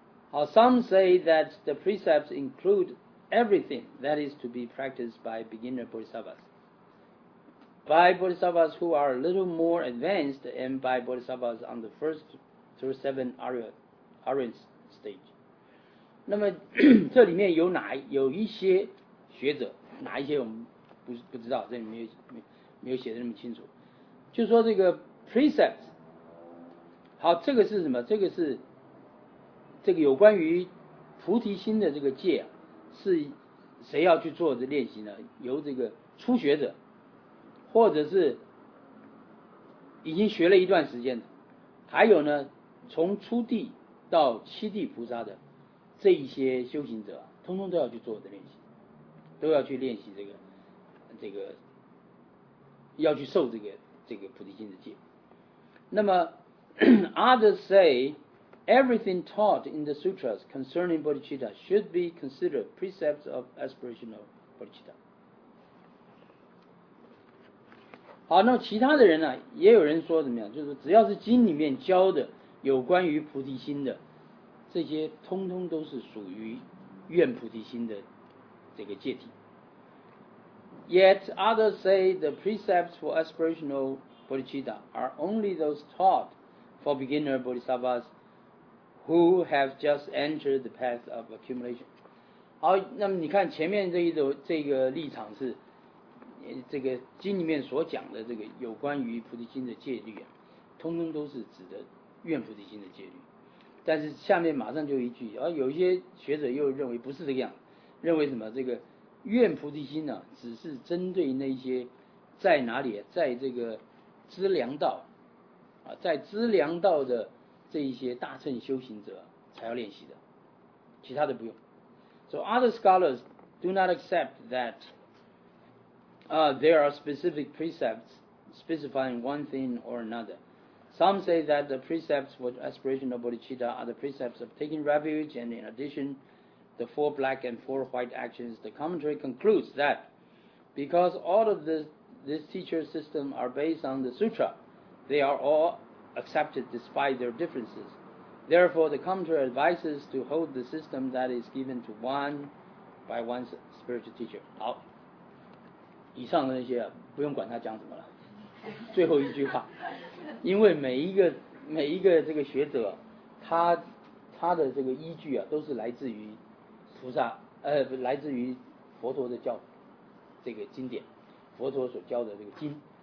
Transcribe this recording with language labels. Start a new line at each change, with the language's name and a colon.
Chinese: 好
English: ，Some say that the precepts include everything that is to be practiced by beginner bodhisattvas, by bodhisattvas who are a little more advanced, and by bodhisattvas on the first through seven Aryan stage.
Chinese: 那么这里面有哪有一些学者，哪一些我们 不知道，这里没有写的那么清楚。就说这个 precepts， 好，这个是什么？这个是这个有关于菩提心的这个戒啊。是谁要去做这练习呢？由这个初学者，或者是已经学了一段时间的，还有呢，从初地到七地菩萨的这一些修行者，通通都要去做的练习，都要去练习这个，要去受这个菩提心的戒。那么
English: others say。 Everything taught in the sutras concerning bodhicitta should be considered precepts of aspirational bodhicitta.
Chinese: 好，那么其他的人呢、啊，也有人说怎么样？就是只要是经里面教的有关于菩提心的，这些通通都是属于愿菩提心的这个戒体。
English: Yet others say the precepts for aspirational bodhicitta are only those taught for beginner bodhisattvas. Who have just entered the path of accumulation?
Chinese: 好，那么你看前面这个立场是，这个经里面所讲的这个有关于菩提心的戒律啊，通通都是指的愿菩提心的戒律。但是下面马上就一句，而有一些学者又认为不是这个样，认为什么这个愿菩提心呢、啊，只是针对那些在哪里，在这个资粮道啊，在资粮道的。这一些大乘修行者才要练习的，其他的不用。
English: So other scholars do not accept that there are specific precepts specifying one thing or another. Some say that the precepts for aspirational bodhicitta are the precepts of taking refuge and in addition the four black and four white actions. The commentary concludes that because all of this teacher system are based on the sutra, they are allaccepted despite their differences. Therefore, the commentary advises to hold the system that is given to one by one's spiritual teacher.
Chinese: 好，以上的那些、啊、不用管他讲什么了。最后一句话，因为每一个这个学者，他的这个依据啊，都是来自于菩萨，来自于佛陀的教这个经典，佛陀所教的这个经。